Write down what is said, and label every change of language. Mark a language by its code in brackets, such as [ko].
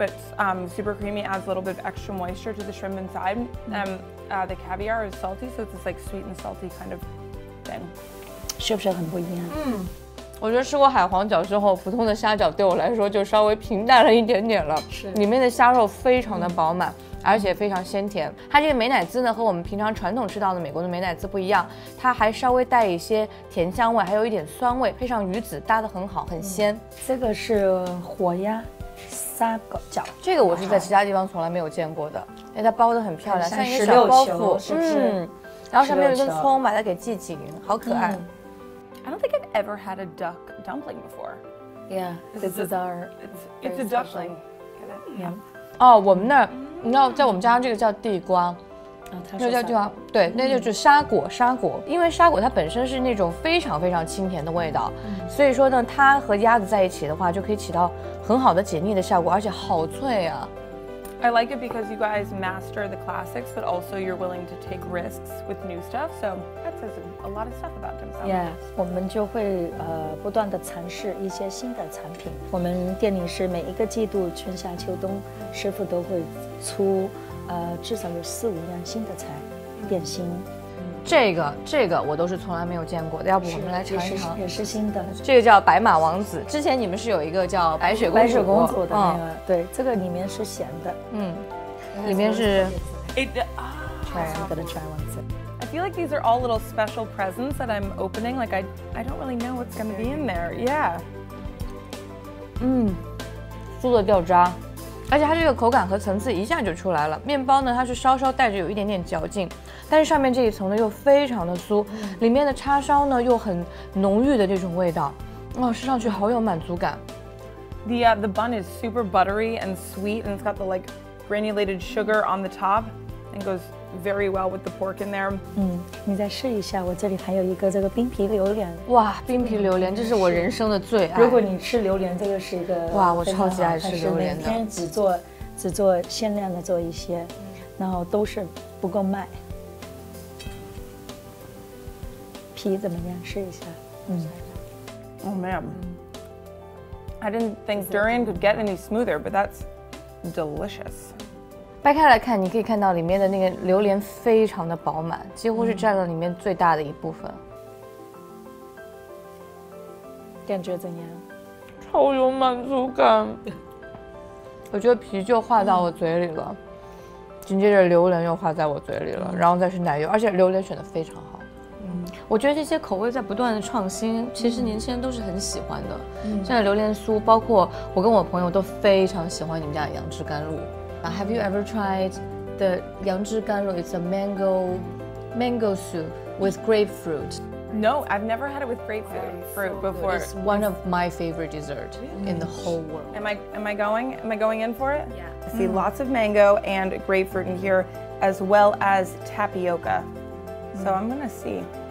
[en] It's super creamy, adds a little bit of extra moisture to the shrimp inside. The caviar is salty, so it's this like sweet and salty kind of thing. [zh] 是不是很不一样？我觉得吃过海皇饺之后，普通的虾饺对我来说就稍微平淡了一点点了。是，里面的虾肉非常的饱满，而且非常鲜甜。它这个美乃滋呢，和我们平常传统吃到的美国的美乃滋不一样，它还稍微带一些甜香味，还有一点酸味，配上鱼子搭得很好，很鲜。这个是火鸭虾饺，这个我是在其他地方从来没有见过的，因为它包得很漂亮，像一个小包袱，是不是？然后上面有一根葱，把它给系紧，好可爱。 [en] I don't think I've ever had a duck dumpling before. Yeah, this is our... It's a duckling. Yeah. [zh] Oh, 我们那儿，你知道在我们家这个叫地瓜。那叫地瓜，对，那就是沙果。沙果，因为沙果它本身是那种非常非常清甜的味道，所以说呢，它和鸭子在一起的话，就可以起到很好的解腻的效果，而且好脆啊。 [en] I like it because you guys master the classics, but also you're willing to take risks with new stuff. So that says a lot of stuff about dim sum. [zh] Yeah, 我们就会不断的尝试一些新的产品。我们店里是每一个季度春夏秋冬，师傅都会出至少有四五样新的菜点心。这个我都是从来没有见过的，要不我们来尝一尝。也是新的，这个叫白马王子，之前你们是有一个叫白雪公主。白雪公主的那个，对，这个里面是咸的。里面是 [en] I'm gonna try one. I feel like these are all little special presents that I'm opening, like I don't really know what's gonna be in there. Yeah. [zh] 酥的掉渣，而且它这个口感和层次一下就出来了。面包呢，它是稍稍带着有一点点嚼劲，但是上面这一层呢又非常的酥，里面的叉烧呢又很浓郁的这种味道，哦，吃上去好有满足感。 [en] The bun is super buttery and sweet, and it's got the like granulated sugar on the top, and goes very well with the pork in there. [zh] 你再试一下，我这里还有一个这个冰皮榴莲。哇，冰皮榴莲，这是我人生的最爱。如果你吃榴莲，这个是一个哇，我超级爱吃榴莲的。每天只做限量的做一些，然后都是不够卖。皮怎么样？试一下。 [en] Oh man, I didn't think durian could get any smoother, but that's delicious. [zh] 掰开来看，你可以看到里面的那个榴莲非常的饱满，几乎是占了里面最大的一部分。感觉怎样？超有满足感。我觉得皮就化到我嘴里了，紧接着榴莲又化在我嘴里了，然后再是奶油，而且榴莲选的非常好。我觉得这些口味在不断的创新，其实年轻人都是很喜欢的。现在榴莲酥，包括我跟我朋友都非常喜欢你们家的杨枝甘露。 [en] Have you ever tried the 杨枝甘露? It's a mango soup with grapefruit. No, I've never had it with grapefruit before. It's one of my favorite dessert in the whole world. Am I going in for it? Yeah. I see lots of mango and grapefruit in here, as well as tapioca. So I'm gonna see.